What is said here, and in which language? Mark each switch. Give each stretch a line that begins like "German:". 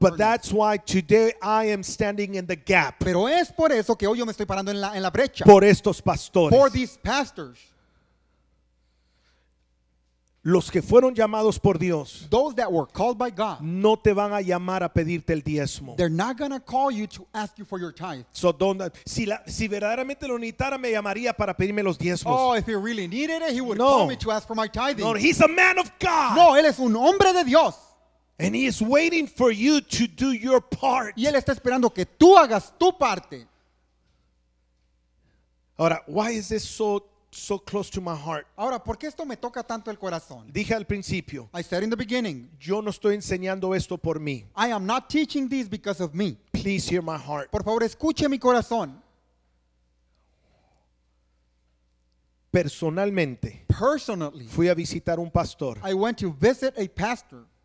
English: But that's why today I am standing in the gap.
Spanish: Pero es por eso que hoy yo me estoy parando en la brecha. Por estos pastores.
English: For these pastors.
Spanish: Los que fueron llamados por Dios.
English: Those that were called by God.
Spanish: No te van a llamar a pedirte el diezmo.
English: They're not going to call you to ask you for your tithe. So don't.
Spanish: Si verdaderamente lo necesitara, me llamaría para pedirme los diezmos.
English: Oh, if he really needed it, he would call me to ask for my tithing. No, he's a man of God.
Spanish: No, él es un hombre de Dios.
English: And he is waiting for you to do your part.
Spanish: Y él está esperando que tú hagas tu parte.
English: Ahora, why is this so so close to my heart.
Spanish: Ahora, ¿por qué esto me toca tanto el corazón? Dije al principio,
English: I said in the beginning,
Spanish: yo no estoy enseñando esto por mí.
English: I am not teaching this because of me. Please hear my heart.
Spanish: Por favor, escuche mi corazón. Personalmente,
English: personally,
Spanish: fui a visitar un pastor.
English: I went to visit a pastor.